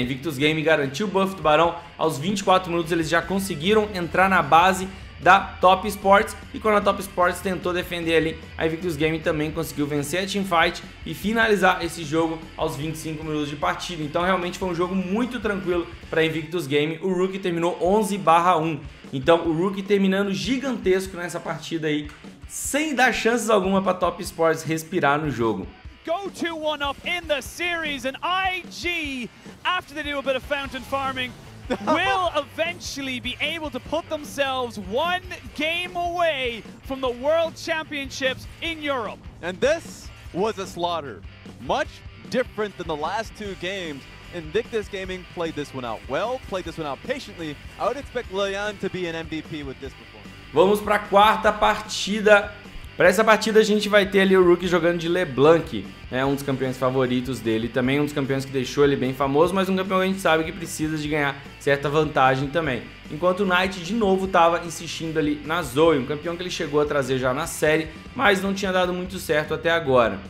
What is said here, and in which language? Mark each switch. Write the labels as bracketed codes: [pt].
[pt] Invictus Game garantiu o buff do Barão. Aos 24 minutos eles já conseguiram entrar na base da Top Sports, e quando a Top Sports tentou defender ali, a Invictus Game também conseguiu vencer a teamfight e finalizar esse jogo aos 25 minutos de partida. Então realmente foi um jogo muito tranquilo para a Invictus Game. O Rook terminou 11-1, então o Rook terminando gigantesco nessa partida aí, sem dar chances alguma para a Top Sports respirar no jogo. [en] Go to one up in the series, and IG, after they do a bit of fountain farming, will eventually be able to put themselves one game away from the World Championships in Europe. And this was a slaughter. Much different than the last two games. Invictus Gaming played this one out well, played this one out patiently. I would expect Liang to be an MVP with this performance. [pt] Vamos para a quarta partida. Para essa partida a gente vai ter ali o Rook jogando de LeBlanc, né? Um dos campeões favoritos dele, também um dos campeões que deixou ele bem famoso, mas um campeão que a gente sabe que precisa de ganhar certa vantagem também. Enquanto o Knight de novo estava insistindo ali na Zoe, um campeão que ele chegou a trazer já na série, mas não tinha dado muito certo até agora.